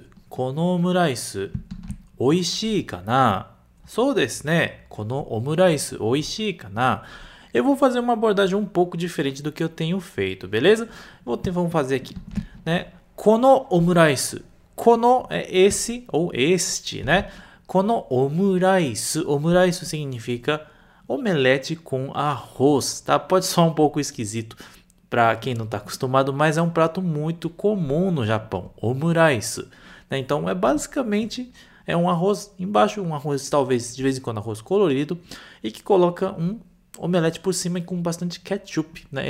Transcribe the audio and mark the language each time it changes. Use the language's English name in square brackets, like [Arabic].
[Japanese] このオムライス、おいしいかな？そうですね。このオムライス、おいしいかな？ [Portuguese] Eu vou fazer uma abordagem um pouco diferente do que eu tenho feito, beleza? Vamos fazer aqui, né? このオムライス。Kono é esse ou este, né? このオムライス、オムライス significa omelete com arroz, tá? Pode soar um pouco esquisito para quem não está acostumado, mas é um prato muito comum no Japão, omuraisu, né? Então é basicamente é um arroz, embaixo um arroz talvez de vez em quando arroz colorido, e que coloca um omelete por cima com bastante ketchup, né?